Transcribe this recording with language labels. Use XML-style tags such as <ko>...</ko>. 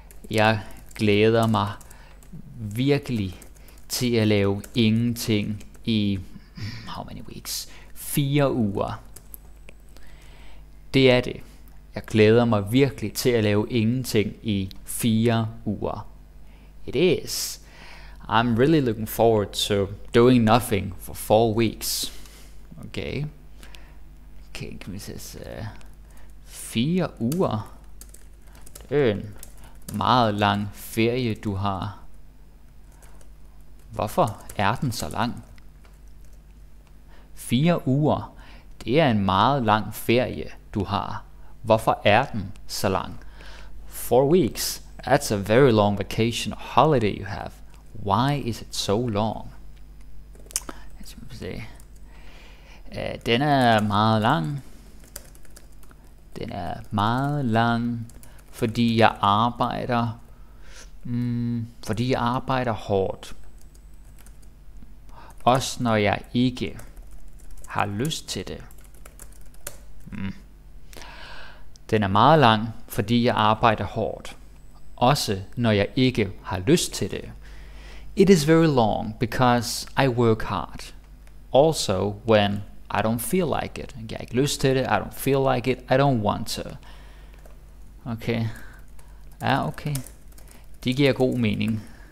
<da>Jeg glæder mig virkelig til at lave ingenting i...</da> <en>How many weeks?</en> <da>4 uger. Det er det. Jeg glæder mig virkelig til at lave ingenting i 4 uger.</da> <en>It is. I'm really looking forward to doing nothing for 4 weeks.</en> <da>Okay, kan vi se, 4 uger, det er en meget lang ferie, du har. Hvorfor er den så lang? 4 uger, det er en meget lang ferie, du har. Hvorfor er den så lang?</da> <en>4 weeks, that's a very long vacation or holiday you have. Why is it so long?</en> <da>Lad os se. Den er meget lang. Den er meget lang, fordi jeg arbejder, fordi jeg arbejder hårdt. Også når jeg ikke har lyst til det. Den er meget lang, fordi jeg arbejder hårdt. Også når jeg ikke har lyst til det.</da> <en>It is very long because I work hard. Also when I don't feel like it.</en> <da>Jeg har ikke lyst til det.</da> <en>I don't feel like it. I don't want to. Okay.</en> <da>Ja, okay. Det giver god mening.</da>